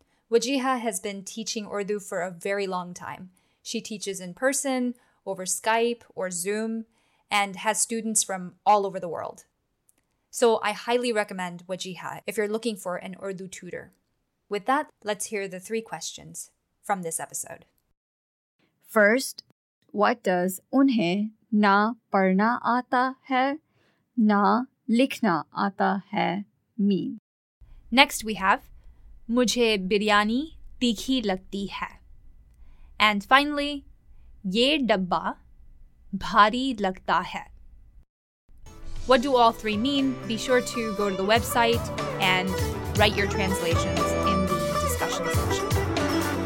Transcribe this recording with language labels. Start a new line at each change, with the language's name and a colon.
English: Wajiha has been teaching Urdu for a very long time. She teaches in person over Skype or Zoom, and has students from all over the world. So I highly recommend Wajiha if you're looking for an Urdu tutor. With that, let's hear the three questions from this episode. First, what does
Urdu: انہیں نہ پڑھنا آتا ہے، نہ لکھنا آتا ہے
English: mean? Next we have,
Urdu: مجھے بریانی تیکھی لگتی ہے.
English: And finally,
Urdu: یہ ڈبہ بھاری لگتا ہے.
English: What do all three mean? Be sure to go to the website and write your translations in the discussion section.